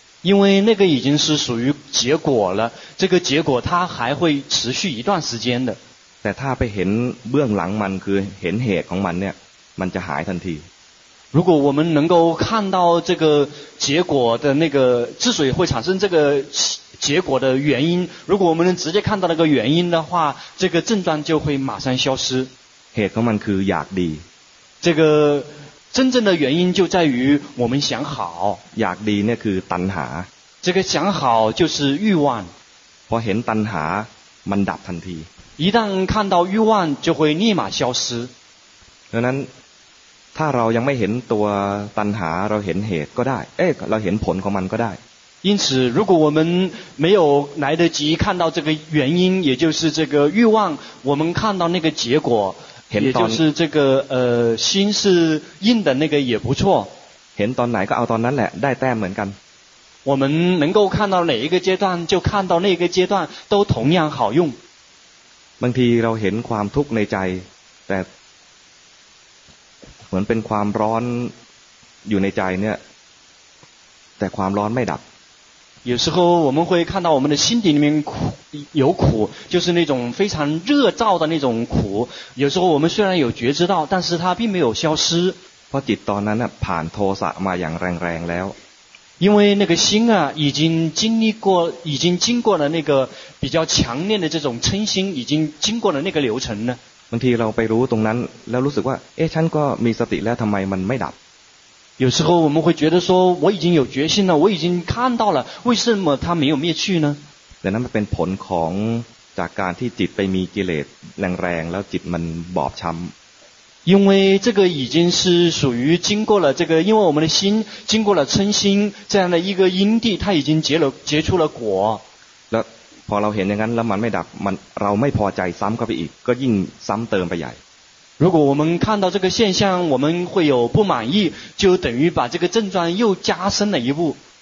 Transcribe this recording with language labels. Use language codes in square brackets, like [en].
[zh] 因为那个已经是属于结果了这个结果它还会持续一段时间的 [th] แต่ถ้าไปเห็นเบื้องหลังมันคือเห็นเหตุของมันเนี่ยมันจะหายทันที [zh] 如果我们能够看到这个结果的那个之所以会产生这个结果的原因如果我们能直接看到那个原因的话这个症状就会马上消失 [th] เหตุของมันคืออยากดี [zh] 这个真正的原因就在于我们想好 [th] อยากดีเนี่ยคือตัณหา [zh] 这个想好就是欲望 [th] พอเห็นตัณหามันดับทันที [zh] 一旦看到欲望就会立马消失 [th] เพราะนั้นถ้าเรายังไม่เห็นตัวตัณหาเราเห็นเหตุก็ได้เอ๊ะเราเห็นผลของมันก็ได้ [zh] 因此如果我们没有来得及看到这个原因也就是这个欲望我们看到那个结果也就是这个心是硬的那个也不错 [th] เห็นตอนไหนก็เอาตอนนั้นแหละได้แต้มเหมือนกัน [zh] 我们能够看到哪一个阶段就看到那个阶段都同样好用 [th] บางทีเราเห็นความทุกข์ในใจแต่เหมือนเป็นความร้อนอยู่ในใจเนี่ยแต่ความร้อนไม่ดับ [zh] 有时候我们会看到我们的心底里面苦有苦就是那种非常热燥的那种苦有时候我们虽然有觉知到但是它并没有消失 [th] เพราะจิตตอนนั้นผ่านโทสะมาอย่างแรงแรงแล้ว [zh] 因为那个心啊已经经过了那个比较强烈的这种嗔心已经经过了那个流程了 [th] บางทีเราไปรู้ตรงนั้นแล้วรู้สึกว่าเอ๊ะฉันก็มีสติแล้วทำไมมันไม่ดับ [zh] 有时候我们会觉得说我已经有决心了我已经看到了为什么它没有灭去呢 [th] แต่นั้นมันเป็นผลของจากการที่จิตไปมีกิเลสแรงๆแล้วจิตมันบอบช้ำ [zh] 因为这个已经是属于经过了这个因为我们的心经过了嗔心这样的一个因地它已经结出了果 [th] แล้วพอเราเห็นอย่างนั้นแล้วมันไม่ดับมันเราไม่พอใจซ้ำเข้าไปอีกก็ยิ่งซ้ำเติมไปใหญ่ [zh] 如果我们看到这个现象我们会有不满意就等于把这个症状又加深了一步